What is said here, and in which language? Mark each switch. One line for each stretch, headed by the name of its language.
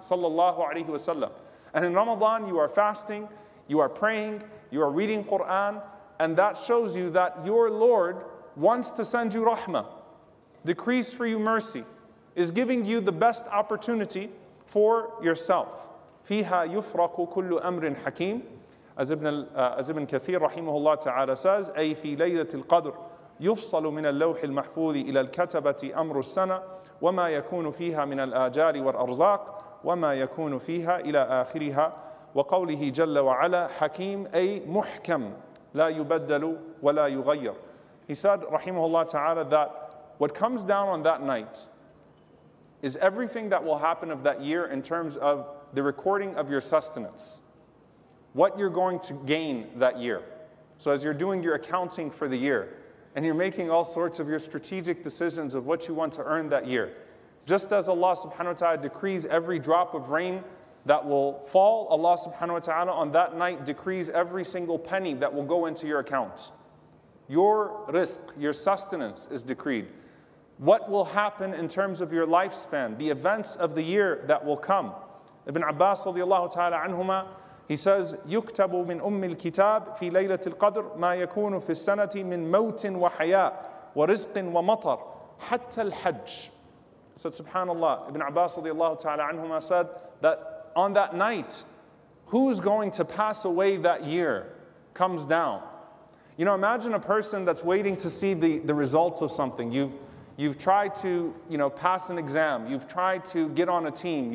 English: And in Ramadan, you are fasting, you are praying, you are reading Quran, and that shows you that your Lord wants to send you rahmah. Decrees for you mercy, is giving you the best opportunity for yourself.
Arabic: فيها يفرق كل أمر حكيم,
English: as Ibn Kathir rahimahullah ta'ala says,
Arabic: أي في ليلة القدر يفصل من اللوح المحفوظ إلى الكتبة أمر السنة وما يكون فيها من الآجال والأرزاق وما يكون فيها إلى آخرها وقوله جل وعلا حكيم أي محكم لا يبدل ولا يغير.
English: He said rahimahullah ta'ala that what comes down on that night is everything that will happen of that year in terms of the recording of your sustenance, what you're going to gain that year. So as you're doing your accounting for the year and you're making all sorts of your strategic decisions of what you want to earn that year, just as Allah subhanahu wa ta'ala decrees every drop of rain that will fall, Allah subhanahu wa ta'ala on that night decrees every single penny that will go into your account. Your risk, your sustenance is decreed. What will happen in terms of your lifespan, the events of the year that will come. Ibn Abbas radiallahu ta'ala anhuma, he says,
Arabic: يُكْتَبُ مِنْ أُمِّ الْكِتَابِ فِي لَيْلَةِ الْقَدْرِ مَا يَكُونُ فِي السَّنَةِ مِنْ مَوْتٍ وَحَيَاءٍ وَرِزْقٍ وَمَطَرٍ حَتَّى الْحَجِّ.
English: So subhanAllah, Ibn Abbas radiallahu ta'ala anhuma said that on that night, who's going to pass away that year comes down. You know, imagine a person that's waiting to see the results of something. You've tried to, you know, pass an exam. You've tried to get on a team.